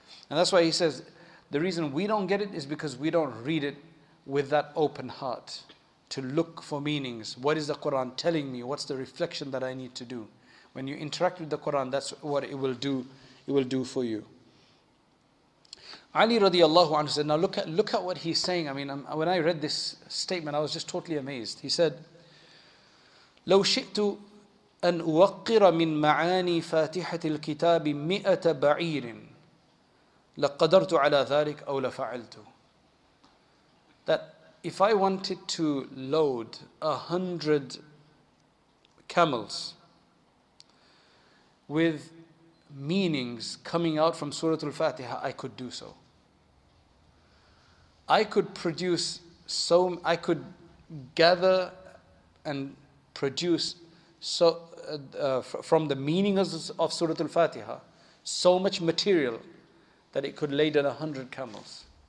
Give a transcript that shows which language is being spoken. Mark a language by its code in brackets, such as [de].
[en] And that's why he says, the reason we don't get it is because we don't read it with that open heart to look for meanings. What is the Quran telling me? What's the reflection that I need to do? When you interact with the Quran, that's what it will do. It will do for you. Ali radiallahu anhu said, now look at what he's saying. I mean, when I read this statement, I was just totally amazed. He said, [ar] لو شئت أن أوقر من معاني فاتحة الكتاب مئة بعير لقدرت على ذلك أو لفعلت. [en] That if I wanted to load 100 camels with meanings coming out from Surah Al-Fatiha, I could do so. I could produce so, I could gather and produce so from the meanings of Surah Al-Fatiha so much material that it could lay down 100 camels.